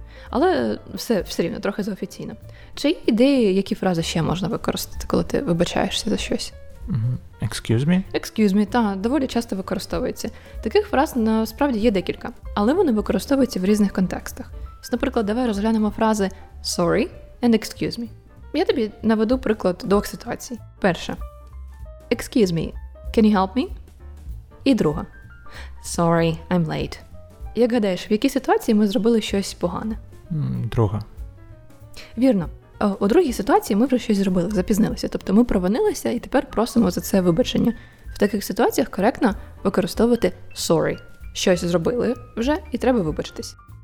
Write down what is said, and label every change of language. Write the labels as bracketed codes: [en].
[uk] Але все рівно, трохи заофіційно. Чи є ідеї, які фрази ще можна використати, коли ти вибачаєшся за щось? [en] Excuse me? Excuse me, [uk] та, доволі часто використовується. Таких фраз насправді є декілька, але вони використовуються в різних контекстах. Наприклад, давай розглянемо фрази [en] sorry and excuse me. [uk] Я тобі наведу приклад двох ситуацій. Перша. [en] Excuse me, can you help me? [uk] І друга. [en] Sorry, I'm late. [uk] Як гадаєш, в якій ситуації ми зробили щось погане? Друга. Вірно. У другій ситуації ми вже щось зробили, запізнилися. Тобто ми провинилися і тепер просимо за це вибачення. В таких ситуаціях коректно використовувати sorry. Щось зробили вже і треба вибачитись.